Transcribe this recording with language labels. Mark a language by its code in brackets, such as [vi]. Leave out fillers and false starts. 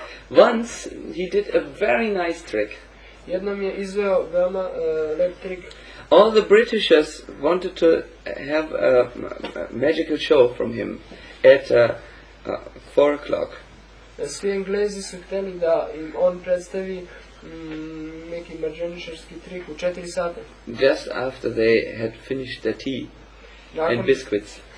[en] Once he did a very nice trick. [sr] Jednom je izveo veoma lep trik. [en] All the Britishers wanted to have a magical show from him at 4 o'clock. [sr] Svi Englezi su hteli da im on predstavi neki mađioničarski trik u 4 sata. [en] Just after they had finished their tea and biscuits.